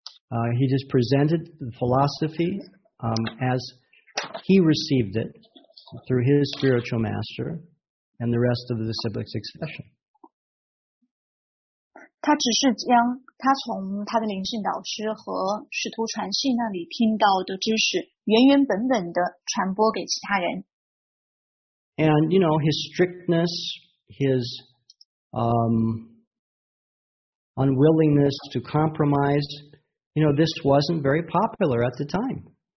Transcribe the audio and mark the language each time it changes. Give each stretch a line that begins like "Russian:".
English: He just presented the philosophy as he received it through his spiritual master and the rest of the disciplic succession.
Chinese: 他只是将他从他的灵性导师和师徒传系那里听到的知识原原本本的传播给其他人。
English: And, you know, his strictness, his unwillingness to compromise,You know, this wasn't very popular at the time.